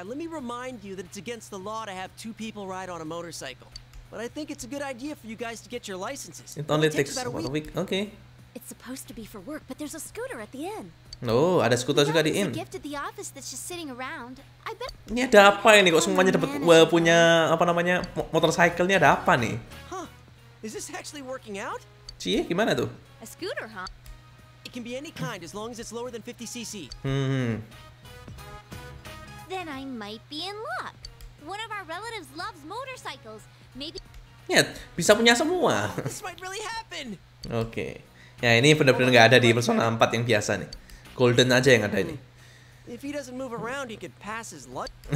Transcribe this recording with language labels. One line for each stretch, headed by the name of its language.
English: Let me remind you that it's against the law to have two people ride on a motorcycle. But I think it's a good idea for you guys to get your licenses. It only takes about a week. Okay. It's supposed to be for work, but there's a scooter at the inn.
Indonesian: Oh, ada skuter juga di inn.
English: A gift at the office that's just sitting around. I bet.
Indonesian: Ini ada apa ini? Kok semuanya dapat punya apa namanya motorcycle? Ini ada apa nih?
English: Huh? Is this actually working out?
Indonesian: Cie, gimana tuh?
English: A scooter, huh? It can be any kind as long as it's lower than 50cc. Hmm. Then I might be in luck. One of our relatives loves motorcycles. Maybe.
Indonesian: Yeah, bisa punya semua.
English: This might really happen.
Indonesian: Oke. Ya ini benar-benar nggak ada di Persona 4 yang biasa nih. Golden aja yang ada ini.
English: If he doesn't move around, he could pass his luck.